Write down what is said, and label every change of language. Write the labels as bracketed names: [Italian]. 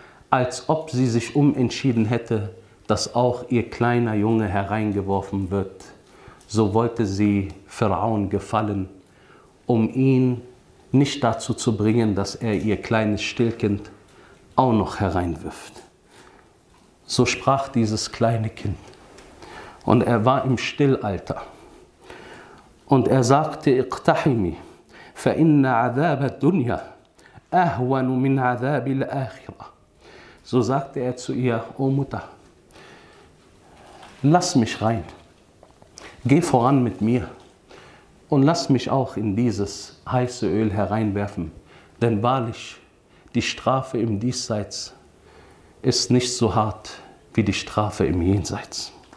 [German] Als ob sie sich umentschieden hätte, dass auch ihr kleiner Junge hereingeworfen wird, so wollte sie Pharaon gefallen, um ihn nicht dazu zu bringen, dass er ihr kleines Stillkind auch noch hereinwirft. So sprach dieses kleine Kind. Und er war im Stillalter. Und er sagte, [Arabic] اقتحمي فإن عذاب الدنيا أهون من عذاب الآخرة. [German] So sagte er zu ihr, O Mutter, lass mich rein, geh voran mit mir und lass mich auch in dieses heiße Öl hereinwerfen, denn wahrlich, die Strafe im Diesseits ist nicht so hart wie die Strafe im Jenseits.